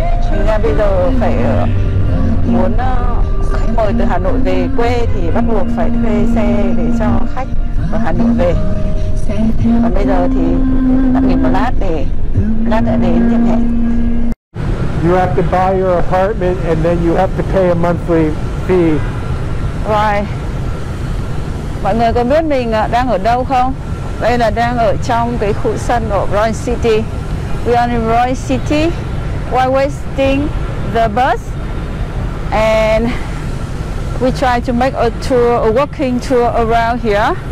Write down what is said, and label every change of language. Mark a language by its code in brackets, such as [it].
[vi] Thành ra bây giờ phải muốn khách mời từ Hà Nội về quê thì bắt buộc phải thuê xe để cho khách ở Hà Nội về. Còn bây giờ thì tạm nghỉ một lát để lát lại đến điểm hẹn. [en] You have to buy your apartment and then you have to pay a monthly fee. Right. [vi] Mọi người có biết mình đang ở đâu không? Đây là đang ở trong cái khu sân ở Roy City. [en] We are in Roy City. Why wasting the bus? And we try to make a tour, a walking tour around here.